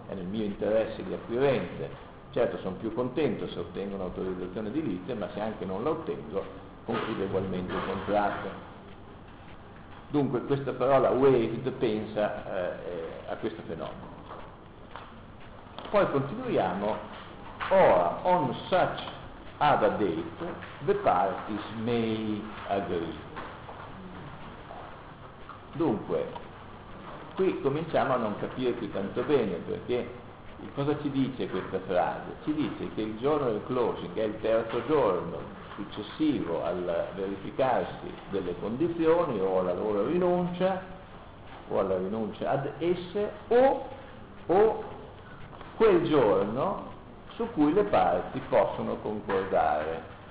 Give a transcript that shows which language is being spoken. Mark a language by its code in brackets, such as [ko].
[it] È nel mio interesse di acquirente. Certo, sono più contento se ottengo un'autorizzazione edilizia, ma se anche non la ottengo, concludo ugualmente il contratto. Dunque questa parola waved pensa a questo fenomeno. Poi continuiamo. Ora, [en] on such other date, the parties may agree. [it] Dunque, qui cominciamo a non capire più tanto bene, perché cosa ci dice questa frase? Ci dice che il giorno del closing è il terzo giorno successivo al verificarsi delle condizioni, o alla loro rinuncia, o alla rinuncia ad esse, o quel giorno su cui le parti possono concordare.